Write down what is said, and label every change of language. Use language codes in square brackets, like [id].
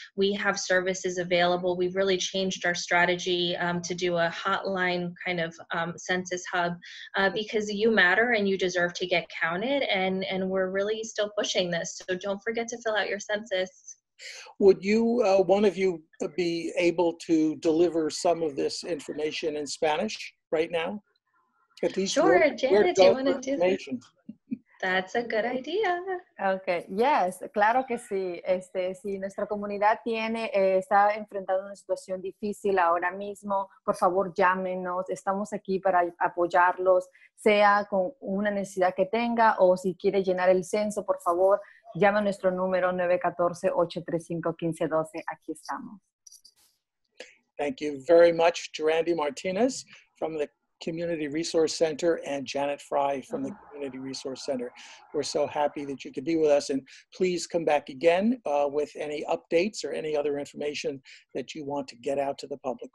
[en] We have services available. We've really changed our strategy to do a hotline kind of census hub because you matter and you deserve to get counted, and we're really still pushing this. So don't forget to fill out your census. Would you, one of you, be able to deliver some of this information in Spanish right now? At least sure, your, Janet, your do you want to do that? That's a good idea. Okay, yes, claro que sí. [es] Si nuestra comunidad está enfrentando una situación difícil ahora mismo, por favor, llámenos. Estamos aquí para apoyarlos, sea con una necesidad que tenga o si quiere llenar el censo, por favor, llama a nuestro número 914-835-1512. Aquí estamos. [en] Thank you very much to Randy Martinez from the Community Resource Center and Janet Fry from the Community Resource Center. We're so happy that you could be with us, and please come back again with any updates or any other information that you want to get out to the public.